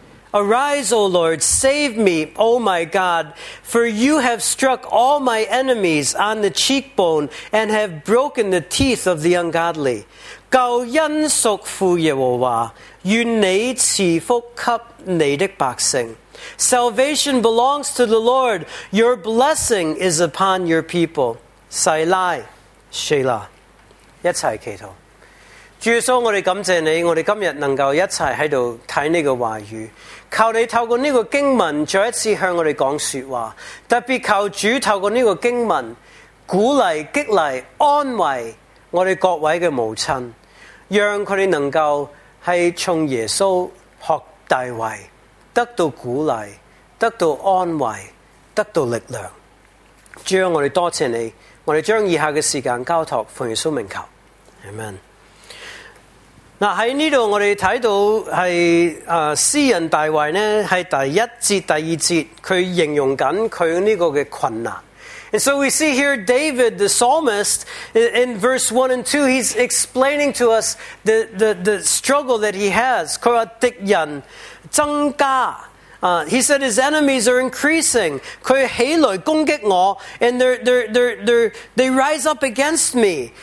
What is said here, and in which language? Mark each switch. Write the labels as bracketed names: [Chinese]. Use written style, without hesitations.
[English] Arise, O Lord, save me, O my God, for you have struck all my enemies on the cheekbone and have broken the teeth of the ungodly. [Chinese] 救恩属乎耶和华，愿你赐福给你的百姓。 [English] Salvation belongs to the Lord, your blessing is upon your people. [Chinese] Selah, Shelah. 一起祈祷。主耶稣，我们感谢你，我们今天能够一起在这里看这个话语，求你透过这个经文再一次向我们讲说话，特别求主透过这个经文鼓励激励安慰我们各位的母亲，让他们能够是从耶稣学大卫，得到鼓励，得到安慰，得到力量。主，我们多谢你，我们将以下的时间交托奉耶稣名求， Amen。在这里我们看到是诗人大卫呢，是第一节第二节他形容他这个的困难。 [English] And so we see here David the psalmist in verse 1 and 2 he's explaining to us the struggle that he has. [Chinese] 他说敌人增加， [English] he said his enemies are increasing. [Chinese] 他起来攻击我， [English] and they rise up against me.